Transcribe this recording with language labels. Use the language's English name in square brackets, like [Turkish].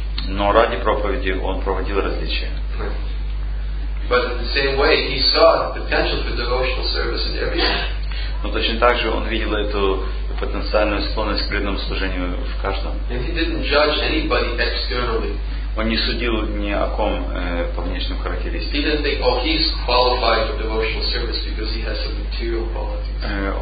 [Russian] Но ради проповеди он проводил различия. [English] But in the same way, he saw potential for devotional service in everything. [Russian] Но точно так же он видел эту потенциальную склонность к преданному служению в каждом. [English] And he didn't judge anybody externally. [Russian] Он не судил ни о ком по внешним характеристикам.